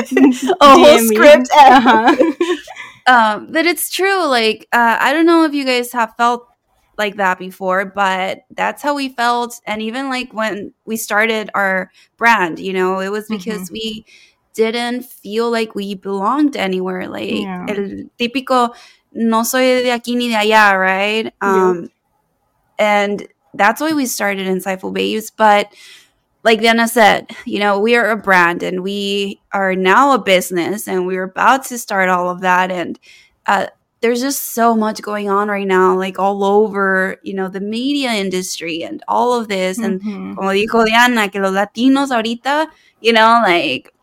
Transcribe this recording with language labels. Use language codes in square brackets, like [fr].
[en] a DM whole script. Uh-huh. But it's true. Like, I don't know if you guys have felt like that before, but that's how we felt. And even like when we started our brand, you know, it was because mm-hmm. we didn't feel like we belonged anywhere. [es] Like, el típico, no soy de aquí ni de allá, right? [en] And that's why we started Insightful Babes. But like Diana said, you know, we are a brand and we are now a business and we're about to start all of that. And there's just so much going on right now, like all over, you know, the media industry and all of this. Mm-hmm. And [es] como dijo Diana, que los Latinos ahorita, [en] you know, like